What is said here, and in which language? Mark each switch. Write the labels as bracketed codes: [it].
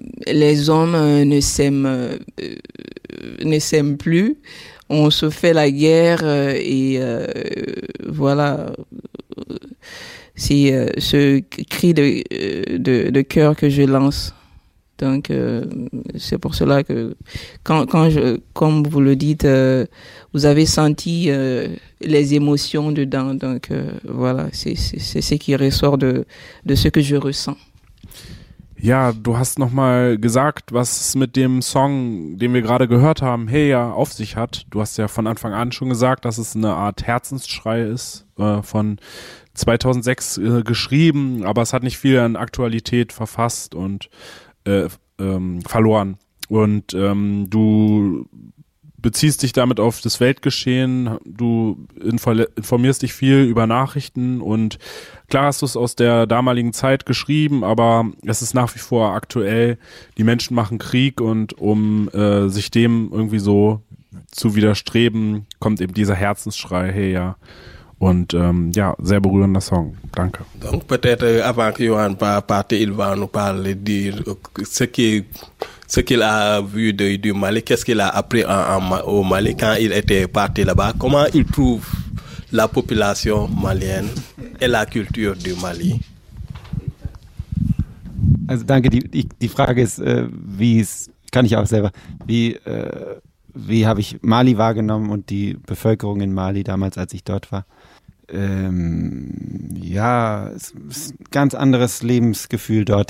[fr] Les hommes ne s'aiment plus, on se fait la guerre et voilà, c'est ce cri de cœur que je lance. Donc c'est pour cela que comme vous le dites, vous avez senti les émotions dedans, donc voilà, c'est ce qui ressort de ce que je ressens. [de] Ja, du hast nochmal gesagt, was es mit dem Song, den wir gerade gehört haben, Heya, auf sich hat. Du hast ja von Anfang an schon gesagt, dass es eine Art Herzensschrei ist, von 2006 geschrieben, aber es hat nicht viel an Aktualität verfasst und verloren. Und du beziehst dich damit auf das Weltgeschehen, du informierst dich viel über Nachrichten und klar hast du es aus der damaligen Zeit geschrieben, aber es ist nach wie vor aktuell, die Menschen machen Krieg und um sich dem irgendwie so zu widerstreben, kommt eben dieser Herzensschrei her, ja. Und ja, sehr berührender Song. Danke. [fr] Donc peut-être avant que Johan parte, il va nous parler de ce qu'il a vu du Mali, qu'est-ce qu'il a appris au Mali quand il était parti là-bas, comment il trouve la population malienne et la culture du Mali. [de] Also danke, die Frage ist, wie es kann ich auch selber. Wie habe ich Mali wahrgenommen und die Bevölkerung in Mali damals, als ich dort war? Ja, es ist ein ganz anderes Lebensgefühl dort.